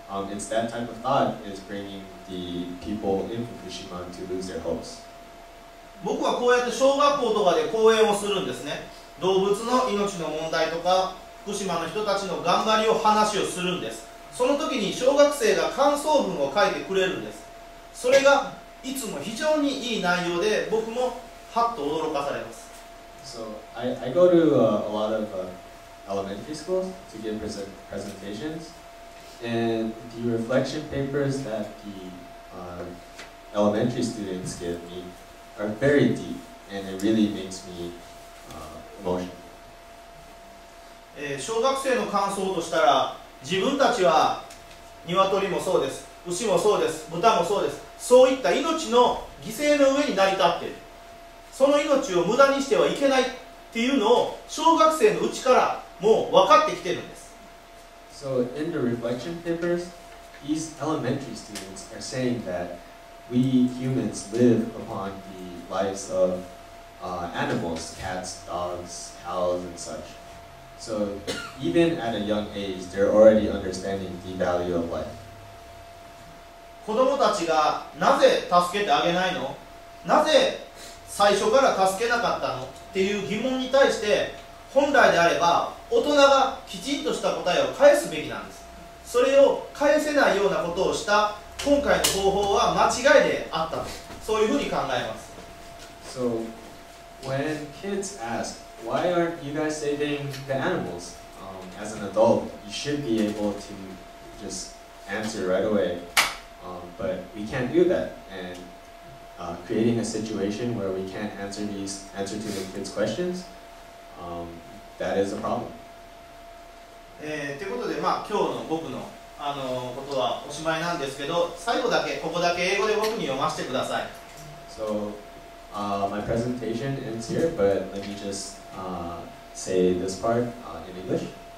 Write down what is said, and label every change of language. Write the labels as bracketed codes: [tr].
[en] It's that type of thought is bringing the people in Fukushima to lose their hopes. [ja] 僕はこうやって小学校とかで講演をするんですね。動物の命の問題とか福島の人たちの頑張りを話をするんです。その時に小学生が感想文を書いてくれるんです。それがいつも非常にいい内容で僕もハッと驚かされます。 [en] So I go to a lot of elementary schools to give presentations, and the reflection papers that the elementary students give me are very deep, and it really makes me emotion. [ja] 小学生の感想としたら、自分たちは鶏もそうです、牛もそうです、豚もそうです。そういった命の犠牲の上に成り立っている。その命を無駄にしてはいけないっていうのを小学生のうちからもう分かってきているんです。 [en] So in the reflection papers, these elementary students are saying that we humans live upon the lives of animals, cats, dogs, cows, and such. So even at a young age, they're already understanding the value of life. [ja] 子供たちがなぜ助けてあげないの？なぜ最初から助けなかったの？っていう疑問に対して、本来であれば大人がきちんとした答えを返すべきなんです。それを返せないようなことをした今回の方法は間違いであったと、そういうふうに考えます。 [en] So,When kids ask, why aren't you guys saving the animals? As an adult, you should be able to just answer right away. But we can't do that. And creating a situation where we can't answer to the kids' questions, that is a problem. [ja] ということで、今日の僕の、ことはおしまいなんですけど、最後だけ、ここだけ英語で僕に読ませてください。 [en] So,my presentation ends here, but let me just say this part in English.